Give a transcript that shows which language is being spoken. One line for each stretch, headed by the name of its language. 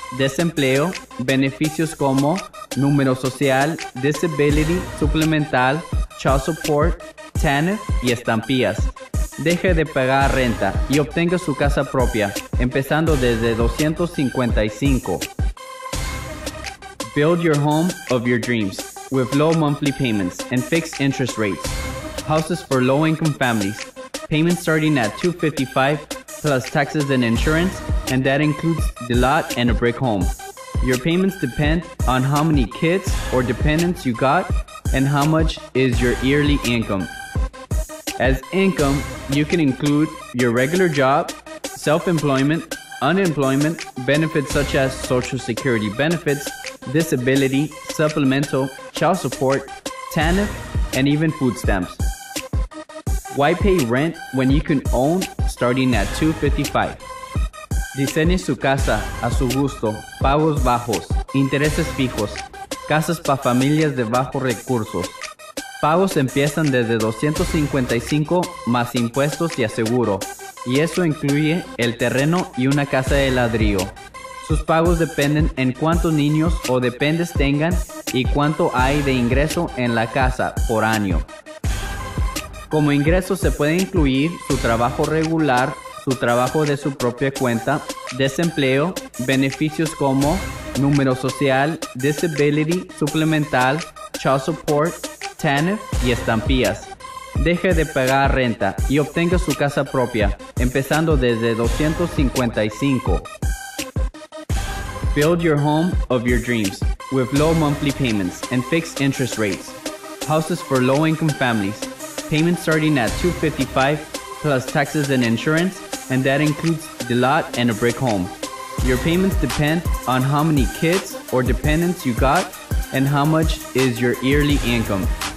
Spanish: desempleo, beneficios como número social,
English: disability, supplemental, child support, TANF
Spanish: y estampillas. Deje de pagar renta y obtenga su casa propia, empezando desde $255.
English: Build your home of your dreams with low monthly payments and fixed interest rates. Houses for low-income families. Payments starting at $255 plus taxes and insurance, and that includes the lot and a brick home. Your payments depend on how many kids or dependents you got and how much is your yearly income. As income, you can include your regular job, self-employment, unemployment, benefits such as Social Security benefits, disability, supplemental, child support, TANF, and even food stamps. Why pay rent when you can own starting at $255?
Spanish: Diseñe su casa a su gusto, pagos bajos, intereses fijos, casas para familias de bajos recursos. Pagos empiezan desde $255 más impuestos y aseguro, y eso incluye el terreno y una casa de ladrillo. Sus pagos dependen en cuántos niños o dependes tengan y cuánto hay de ingreso en la casa por año. Como ingreso se puede incluir su trabajo regular, su trabajo de su propia cuenta, desempleo, beneficios como número social,
English: disability, supplemental, child support, TANF
Spanish: y estampillas. Deje de pagar renta y obtenga su casa propia, empezando desde $255.
English: Build your home of your dreams with low monthly payments and fixed interest rates. Houses for low-income families. Payments starting at $255 plus taxes and insurance, and that includes the lot and a brick home. Your payments depend on how many kids or dependents you got and how much is your yearly income.